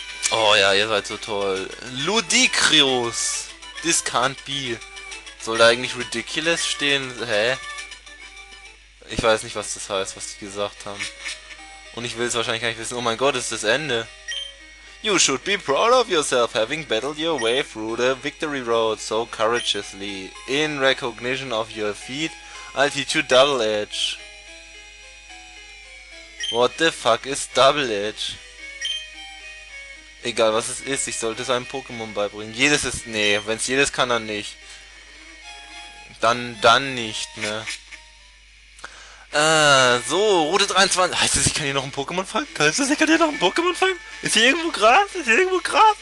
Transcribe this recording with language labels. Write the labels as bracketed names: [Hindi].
[German] Oh ja, ihr seid so toll. [English] Ludicrous! This can't be. [German] Soll da eigentlich Ridiculous stehen? Hä? Ich weiß nicht, was das heißt, was die gesagt haben. Und ich will es wahrscheinlich gar nicht wissen. Oh mein Gott, ist das Ende. [English] You should be proud of yourself, having battled your way through the victory road so courageously. In recognition of your feat, I'll teach you Double Edge. What the fuck is Double Edge? [German] Egal was es ist, ich sollte es einem Pokémon beibringen. Jedes ist... Nee, wenn es jedes kann, dann nicht. Dann nicht, ne? So, Route 23. Heißt das, ich kann hier noch ein Pokémon fangen? Heißt das, ich kann hier noch ein Pokémon fangen? Ist hier irgendwo Gras? Ist hier irgendwo Gras?